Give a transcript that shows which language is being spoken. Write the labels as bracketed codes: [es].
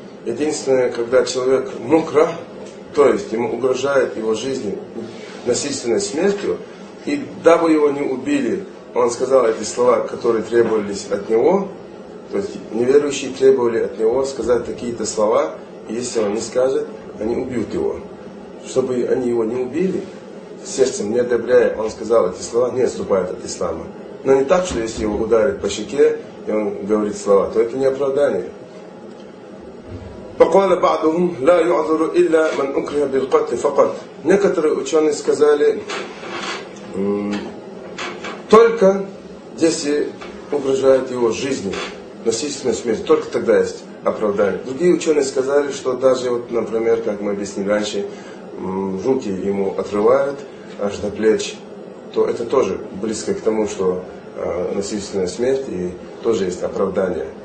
[ru] Единственное, когда человек мукра, то есть ему угрожает его жизни насильственной смертью, и дабы его не убили, он сказал эти слова, которые требовались от него, то есть неверующие требовали от него сказать такие-то слова, и если он не скажет, они убьют его. Чтобы они его не убили, сердцем не одобряя, он сказал эти слова, не отступает от ислама. Но не так, что если его ударят по щеке, и он говорит слова, то это не оправдание. [ar] فقال بعضهم لا يعذر إلا من أكره بالقتل فقط. [ru] Некоторые ученые сказали, только если угрожает его жизни, насильственной смерти, только тогда есть оправдание. Другие ученые сказали, что даже, вот, например, как мы объяснили раньше, руки ему отрывают аж до плеч, то это тоже близко к тому, что насильственная смерть, и тоже есть оправдание.